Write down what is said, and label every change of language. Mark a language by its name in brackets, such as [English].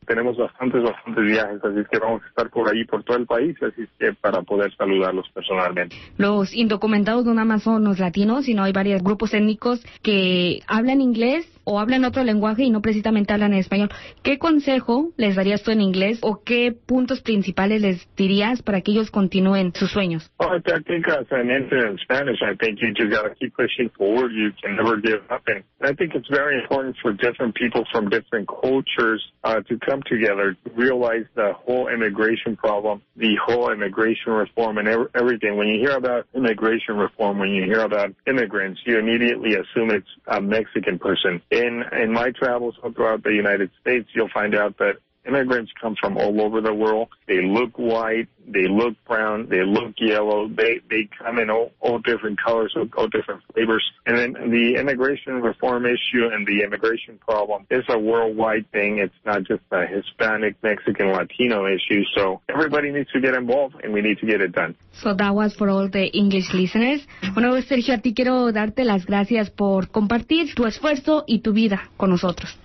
[Spanish] Tenemos bastantes viajes, así es que vamos a estar por ahí, por todo el país, así es que para poder saludarlos personalmente. Los indocumentados no nada más son los latinos, sino hay varios grupos étnicos que hablan inglés o hablan otro lenguaje y no precisamente hablan en español. ¿Qué consejo les darías tú en inglés, o qué puntos principales les dirías para que ellos continúen sus sueños? [English] I think as an infant in Spanish, I think you just got to keep pushing forward. You can never give up. And I think it's very important for different people from different cultures to come together, to realize the whole immigration problem, the whole immigration reform and everything. When you hear about immigration reform, when you hear about immigrants, you immediately assume it's a Mexican person. In my travels throughout the United States, you'll find out that immigrants come from all over the world. They look white. They look brown. They look yellow. They come in all different colors, all different flavors. And then the immigration reform issue and the immigration problem is a worldwide thing. It's not just a Hispanic, Mexican, Latino issue. So everybody needs to get involved, and we need to get it done. So that was for all the English listeners. [Spanish] Bueno, Sergio, a ti quiero darte las gracias por compartir tu esfuerzo y tu vida con nosotros.